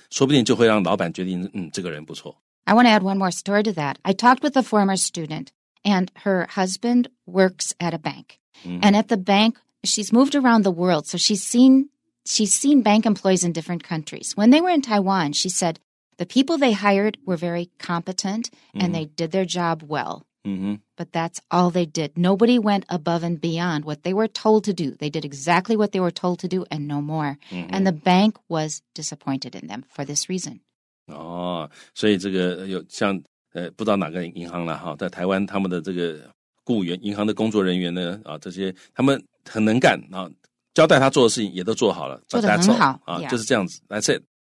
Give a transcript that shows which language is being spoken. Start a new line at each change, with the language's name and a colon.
Chinese: 哦，所以你如果表达你愿意哈，这个做一些非本分之内的事可是该做的事我还是愿意做哈，那这样说不定就会让老板决定，这个人不错。I
English: want to add one more story to that. I talked with a former student, and her husband works at a bank. Mm-hmm. And at the bank, she's moved around the world, so she's seen bank employees in different countries. When they were in Taiwan, she said the people they hired were very competent and they did their job well. Mm-hmm. But that's all they did. Nobody went above and beyond what they were told to do. They did exactly what they were told to do and no more. Mm-hmm. And the bank was disappointed in them for this reason.
Chinese: Oh, 所以这个有像不知道哪个银行了，在台湾他们的这雇员、银行的工作人员呢，这些他们很能干，交代他做的事情也都做好了，做得很好，就是这样子，
English: that's it。